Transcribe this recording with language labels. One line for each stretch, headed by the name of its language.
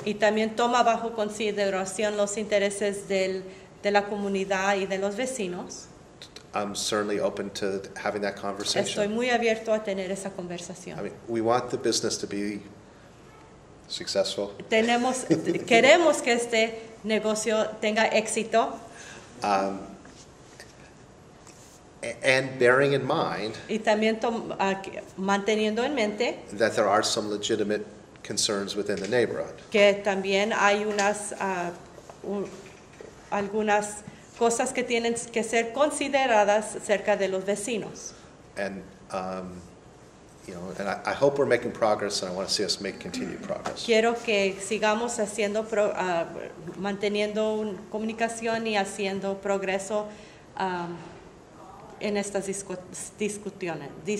Spanish: Y también toma bajo consideración los intereses de la comunidad y de los vecinos.
English: I'm certainly open to having that conversation.
Spanish: Estoy muy abierto a tener esa conversación.
English: I mean, we want the business to be successful.
Spanish: Tenemos, queremos que este negocio tenga éxito.
English: And bearing in mind
Spanish: y también manteniendo en mente
English: that there are some legitimate concerns within the neighborhood.
Spanish: Que también hay unas algunas cosas que tienen que ser consideradas cerca de los vecinos.
English: And you know, and I hope we're making progress, and I want to see us make continued progress.
Spanish: Quiero que sigamos haciendo, manteniendo comunicación y haciendo progreso en estas discusiones.